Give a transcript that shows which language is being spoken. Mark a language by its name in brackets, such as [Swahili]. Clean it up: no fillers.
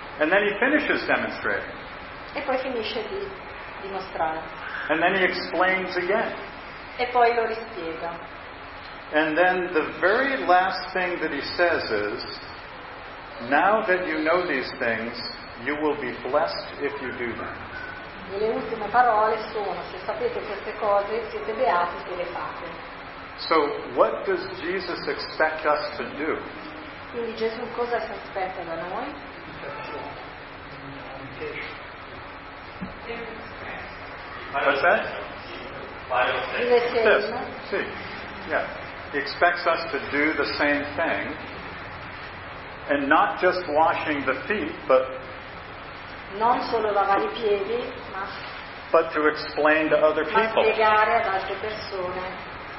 [English] And then he finishes demonstrating. [Italian] E poi finisce di dimostrare. [English] And then he explains again. [Italian] E poi lo rispiega. [English] And then the very last thing that he says is, now that you know these things, you will be blessed if you do them. [Italian] E le ultime parole sono: se sapete queste cose, siete beati se le fate. [English] So, what does Jesus expect us to do? [Italian] Quindi Gesù cosa si aspetta da noi? [English] What's that? The same. This. Sì. Yeah. He expects us to do the same thing, and not just washing the feet, but [Italian] non solo lavare i piedi, ma [English] but to explain to other people. [Italian] Spiegare ad altre persone.